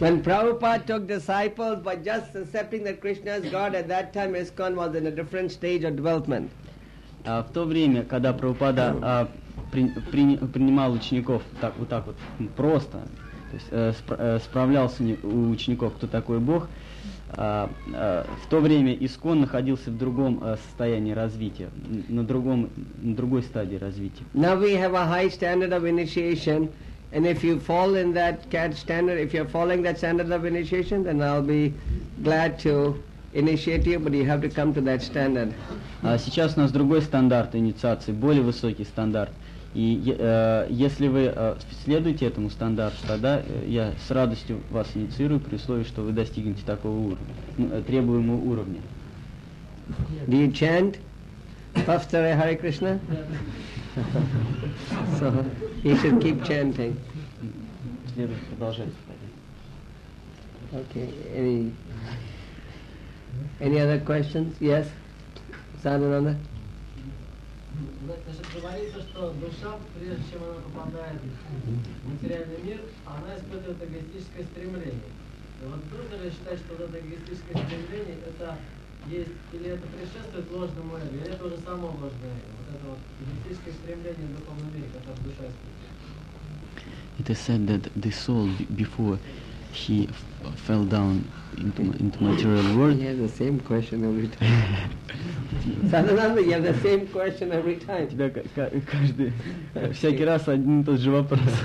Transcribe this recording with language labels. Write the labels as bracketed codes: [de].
[en] When Prabhupada took disciples, by just accepting that Krishna is God, at that time ISKCON was in a different stage of development. [ru] В то время, когда Прабхупада принимал учеников так вот просто, то есть справлялся у учеников, кто такой Бог, в то время ИСКОН находился в другом состоянии развития, на другой стадии развития. [en] Now we have a high standard of initiation, and if you fall in that standard, if you're following that standard of initiation, then I'll be glad to initiate you, but you have to come to that standard. [ru] Сейчас у нас другой стандарт инициации, более высокий стандарт. И если вы следуете этому стандарту, тогда я с радостью вас инициирую при условии, что вы достигнете такого уровня, требуемого уровня. [en] Do you chant? After Hare Krishna? So you should keep chanting. [ru] Следует продолжать. [en] Okay. Any other questions? Yes? Sadananda? [ru] Значит, говорится, что душа, прежде чем она попадает в материальный мир, она испытывает эгоистическое стремление. И вот трудно ли считать, что это эгоистическое стремление, это есть, или это предшествует ложному эго, или это уже само ложное эго? Вот это вот эгоистическое стремление в духовном мире, которое душа испытывает. [en] It is said that the soul, before he fell down into material world. He has the same question every time. Sadananda, you have the same question every time. [ru] Тебя каждый всякий раз один и тот же вопрос.